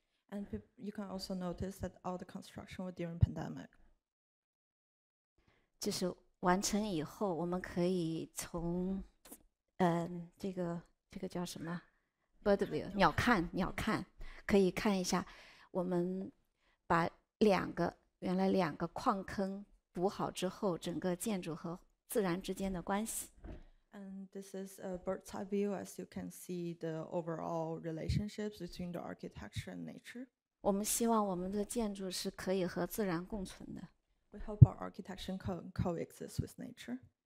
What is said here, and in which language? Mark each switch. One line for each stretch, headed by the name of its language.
English: And you can also notice that all the construction were during pandemic.
Chinese: 就是完成以后，我们可以从，这个叫什么 ，
English: bird view，
Chinese: 鸟瞰，可以看一下，我们把原来两个矿坑补好之后，整个建筑和自然之间的关系。
English: And this is a bird's eye view. As you can see, the overall relationships between the architecture and nature.
Chinese: 我们希望我们的建筑是可以和自然共存的。
English: We hope our architecture can coexist with nature.